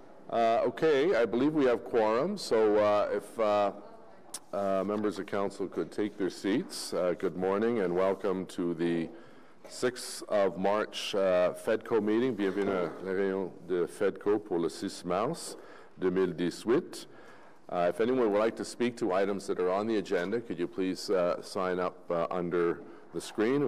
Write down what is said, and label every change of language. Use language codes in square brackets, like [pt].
[en] Okay, I believe we have quorum, so if members of council could take their seats. Good morning and welcome to the 6th of March FEDCO meeting. [fr] Bienvenue à la réunion de FEDCO pour le 6 mars 2018. [en] If anyone would like to speak to items that are on the agenda, could you please sign up under the screen?